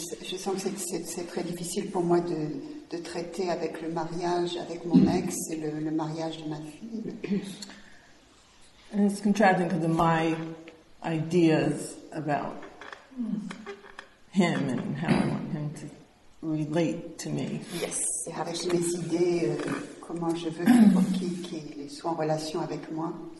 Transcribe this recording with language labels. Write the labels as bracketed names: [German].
[French] Je sens que c'est très difficile pour moi de traiter avec le mariage avec mon ex et le mariage de ma fille. [English] And it's contracting because of my ideas about him and how I want him to relate to me. Yes, you have to [French] mes idées comment je veux pour qu'il soit en relation avec moi.